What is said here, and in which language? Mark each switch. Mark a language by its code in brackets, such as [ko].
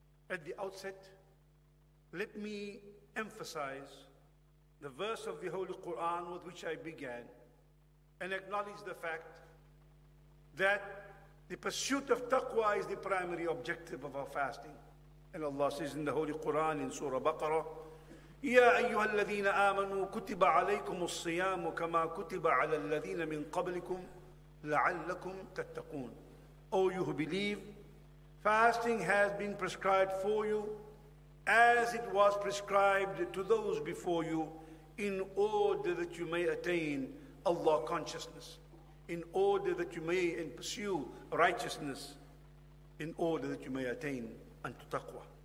[en] At the outset, let me emphasize the verse of the Holy Quran with which I began, and acknowledge the fact that the pursuit of taqwa is the primary objective of our fasting. And Allah says in the Holy Quran in Surah Baqarah, [ar] يا أيها الذين آمنوا كتب عليكم الصيام كما كتب على الذين من قبلكم لعلكم تتقون. [en] O you who believe, fasting has been prescribed for you as it was prescribed to those before you in order that you may attain Allah consciousness, in order that you may pursue righteousness, in order that you may attain unto taqwa.